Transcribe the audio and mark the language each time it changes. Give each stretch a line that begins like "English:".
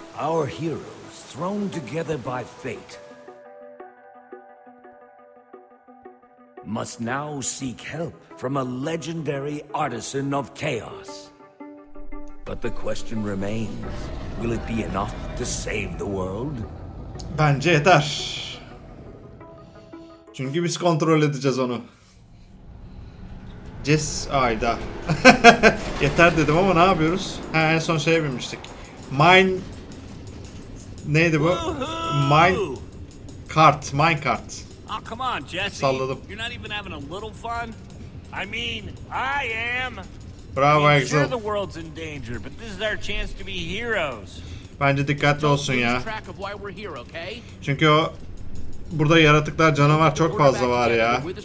English: Our heroes thrown together by fate must now seek help from a legendary artisan of chaos. But the question remains, will it be enough to save the world?
Turkish: Bence yeter. Çünkü biz kontrol edeceğiz onu. Jess ayda. Yeter dedim ama ne yapıyoruz? Ha, en son şeye binmiştik. Mine... Neydi bu? Mine... Kart. Mine kart.
English: Oh, come on, Jesse.
Turkish: Salladım.
English: You're not even having a little fun? I mean, I am. Bravo, I'm Excel. Sure the world's in danger, but this is our chance to be heroes.
Turkish: Bence dikkatli olsun ya.
English: Here, okay?
Turkish: Çünkü o... Burada yaratıklar, canavar çok fazla var ya.